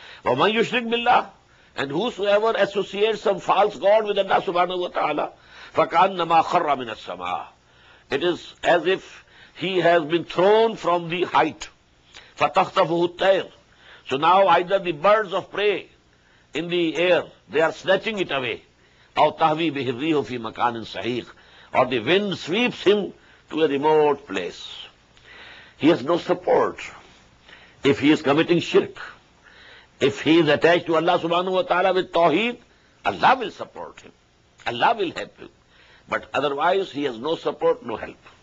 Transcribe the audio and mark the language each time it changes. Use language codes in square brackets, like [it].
[ar] Wa man yushrik billah, [en] and whosoever associates some false god with Allah subhanahu wa ta'ala, [ar] fakannama kharra min as-sama, [en] it is as if he has been thrown from the height. [ar] Fatakhtafuhu at-tayr, [en] so now either the birds of prey in the air, they are snatching it away. [ar] أَوْ تَهْوِي بِهِ الرِّيحُ فِي مَكَانٍ صَحِيحٍ. [en] Or the wind sweeps him to a remote place. He has no support. If he is committing shirk, if he is attached to Allah subhanahu wa ta'ala with tawheed, Allah will support him. Allah will help him. But otherwise, he has no support, no help.